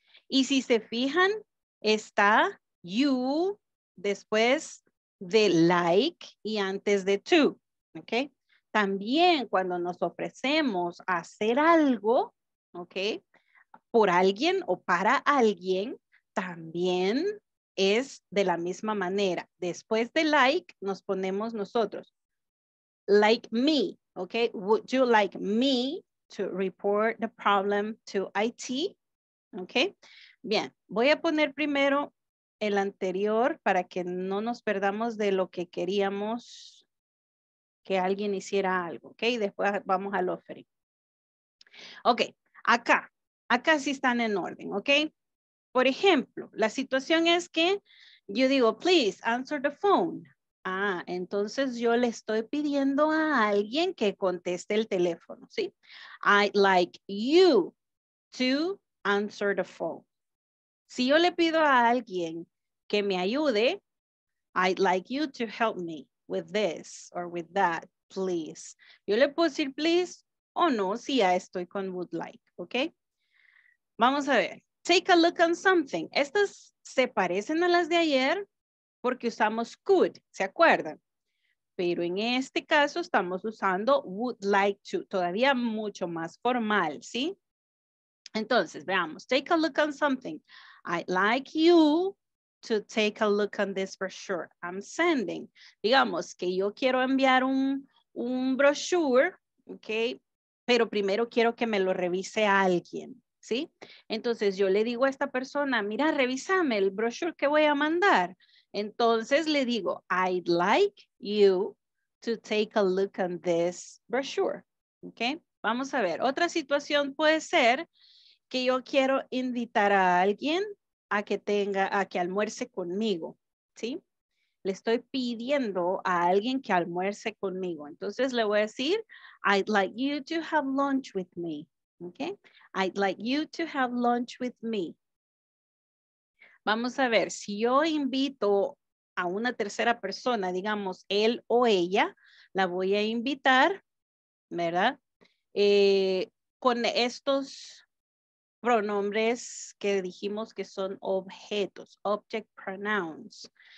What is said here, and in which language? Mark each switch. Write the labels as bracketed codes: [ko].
[es] Y si se fijan, está you después de like y antes de to, ¿ok? También cuando nos ofrecemos a hacer algo, ¿ok? Por alguien o para alguien, también es de la misma manera. Después de like, nos ponemos nosotros. [en] Like me, [es] okay? [en] Would you like me to report the problem to IT? Okay? [es] Bien, voy a poner primero el anterior para que no nos perdamos de lo que queríamos que alguien hiciera algo, okay? Después vamos al offering. Okay, acá. Acá sí están en orden, okay? Por ejemplo, la situación es que yo digo, [en] please answer the phone. [es] Ah, entonces yo le estoy pidiendo a alguien que conteste el teléfono, ¿sí? [en] I'd like you to answer the phone. [es] Si yo le pido a alguien que me ayude, [en] I'd like you to help me with this or with that, please. [es] Yo le puedo decir please o no si ya estoy con would like, ¿ok? Vamos a ver. [en] Take a look on something. [es] Estas se parecen a las de ayer porque usamos could, ¿se acuerdan? Pero en este caso estamos usando would like to, todavía mucho más formal, ¿sí? Entonces, veamos. [en] Take a look on something. I'd like you to take a look on this brochure I'm sending. [es] Digamos que yo quiero enviar un brochure, ¿ok? Pero primero quiero que me lo revise alguien. ¿Sí? Entonces yo le digo a esta persona, mira, revísame el brochure que voy a mandar. Entonces le digo, [en] I'd like you to take a look on this brochure. [es] ¿Ok? Vamos a ver. Otra situación puede ser que yo quiero invitar a alguien a que tenga, a que almuerce conmigo. ¿Sí? Le estoy pidiendo a alguien que almuerce conmigo. Entonces le voy a decir, [en] I'd like you to have lunch with me. ¿Ok? I'd like you to have lunch with me. [es] Vamos a ver, si yo invito a una tercera persona, digamos, él o ella, la voy a invitar, ¿verdad? Con estos pronombres que dijimos que son objetos, object pronouns.